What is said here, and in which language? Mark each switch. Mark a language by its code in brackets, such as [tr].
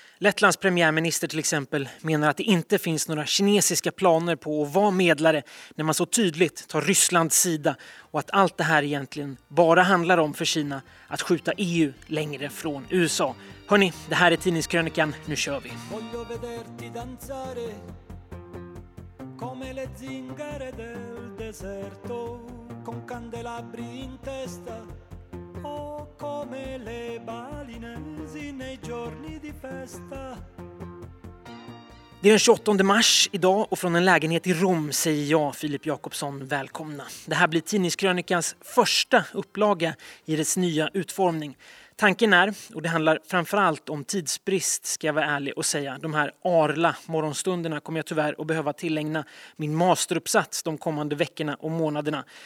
[sv] Lettlands premiärminister till exempel menar att det inte finns några kinesiska planer på att vara medlare när man så tydligt tar Rysslands sida, och att allt det här egentligen bara handlar om för Kina att skjuta EU längre från USA. Hörrni, det här är tidningskrönikan. Nu kör vi. [it] Voglio vederti danzare come le zingare del deserto con candelabri in testa. Oh, come le balinesi nei giorni di festa. [sv] Det är den 28 mars idag, och från en lägenhet i Rom säger jag, Filip Jakobsson, välkomna. Det här blir tidningskrönikans första upplaga i dess nya utformning. Tanken är, och det handlar framförallt om tidsbrist ska jag vara ärlig och säga, de här arla morgonstunderna kommer jag tyvärr att behöva tillägna min masteruppsats de kommande veckorna och månaderna.